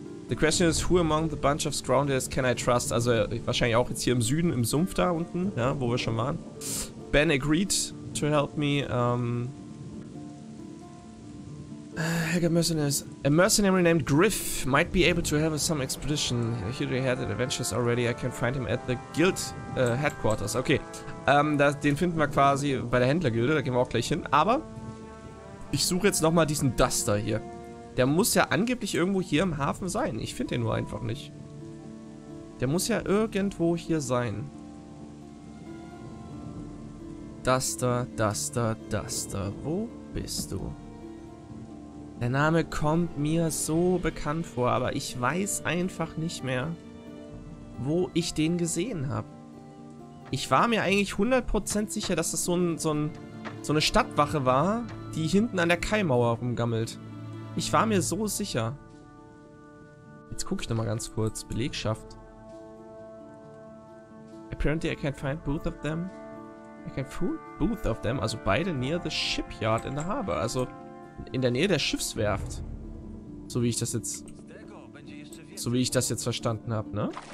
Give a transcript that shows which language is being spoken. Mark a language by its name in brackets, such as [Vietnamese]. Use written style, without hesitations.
[English] The question is, who among the bunch of Scrounders can I trust? [German] Also wahrscheinlich auch jetzt hier im Süden, im Sumpf da unten, ja, wo wir schon waren. [English] Ben agreed to help me. A mercenary named Griff might be able to help with some expedition. He had adventures already. I can find him at the guild headquarters. [German] Okay, den finden wir quasi bei der Händlergilde. Da gehen wir auch gleich hin. Aber ich suche jetzt nochmal diesen Duster hier. Der muss ja angeblich irgendwo hier im Hafen sein. Ich finde den nur einfach nicht. Der muss ja irgendwo hier sein. Duster, Duster, Duster. Wo bist du? Der Name kommt mir so bekannt vor, aber ich weiß einfach nicht mehr, wo ich den gesehen habe. Ich war mir eigentlich 100% sicher, dass das so eine Stadtwache war, die hinten an der Kaimauer rumgammelt. Ich war mir so sicher. Jetzt gucke ich nochmal ganz kurz. Belegschaft. [English] Apparently I can't find both of them. I can't find both of them. [German] Also beide [English] near the shipyard in the harbor. [German] Also in der Nähe der Schiffswerft. So wie ich das jetzt verstanden habe, ne?